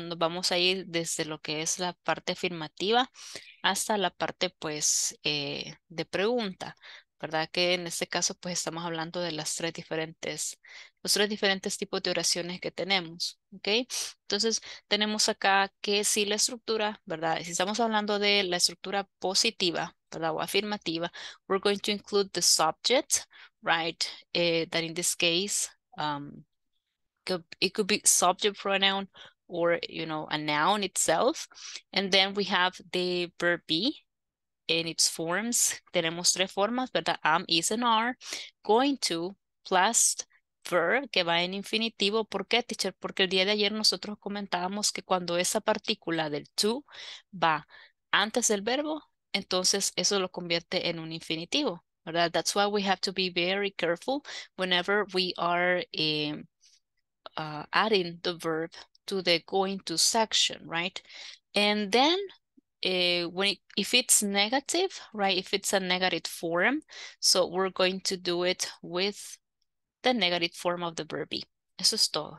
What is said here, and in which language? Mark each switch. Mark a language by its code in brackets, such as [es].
[es] Nos vamos a ir desde lo que es la parte afirmativa hasta la parte, pues, de pregunta, ¿verdad? Que en este caso, pues, estamos hablando de las tres diferentes, los tres diferentes tipos de oraciones que tenemos, ¿ok? Entonces, tenemos acá que si la estructura, ¿verdad? Si estamos hablando de la estructura positiva, ¿verdad? O afirmativa, [en] we're going to include the subject, right? That in this case, it could be subject pronoun or, you know, a noun itself. And then we have the verb be in its forms. [es] Tenemos tres formas, ¿verdad? [en] Am, is, and are. Going to plus verb, [es] que va en infinitivo. ¿Por qué, teacher? Porque el día de ayer nosotros comentábamos que cuando esa partícula del to va antes del verbo, entonces eso lo convierte en un infinitivo, ¿verdad? [en] That's why we have to be very careful whenever we are adding the verb to the going to section, right? And then if it's negative, right? If it's a negative form, so we're going to do it with the negative form of the verb. [es] Eso es todo.